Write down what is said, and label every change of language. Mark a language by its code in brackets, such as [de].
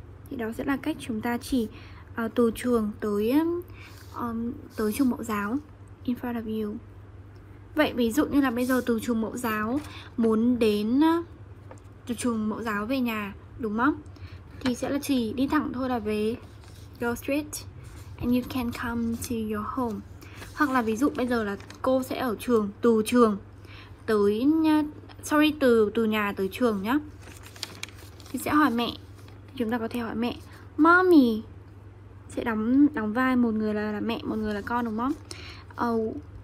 [vi] Thì đó sẽ là cách chúng ta chỉ từ trường tới tới trường mẫu giáo. [en] In front of you. [vi] Vậy ví dụ như là bây giờ từ trường mẫu giáo muốn đến từ trường mẫu giáo về nhà đúng không? Thì sẽ là chỉ đi thẳng thôi là về. [en] Go straight and you can come to your home. [vi] Hoặc là ví dụ bây giờ là cô sẽ ở trường tới nhá, sorry, từ nhà tới trường nhá. Thì sẽ hỏi mẹ. Chúng ta có thể hỏi mẹ. Mommy. Sẽ đóng vai một người là mẹ, một người là con đúng không?